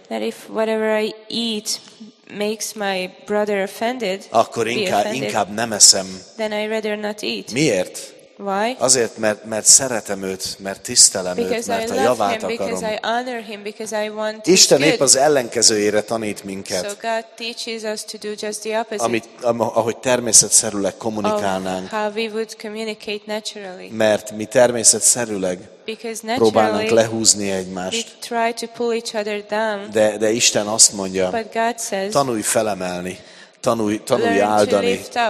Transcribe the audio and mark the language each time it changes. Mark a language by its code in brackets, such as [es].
[en] That if whatever I eat makes my brother offended. [hu] Akkor inkább nem eszem. [en] Then I rather not eat. [hu] Miért? [en] Why? [hu] Azért, mert szeretem őt, mert tisztelem őt, mert a javát akarom. [en] Because I honor him, because I want [hu] his Isten épp az ellenkezőjére tanít minket. [en] So God teaches us to do just the opposite. [hu] Ahogy természetszerűleg kommunikálnánk. [en] How we would communicate naturally. [hu] Mert mi természetszerűleg próbálnak lehúzni egymást. [en] We try to pull each other down. [hu] De Isten azt mondja, [en] but God says, [hu] tanulj felemelni. Tanulj áldani.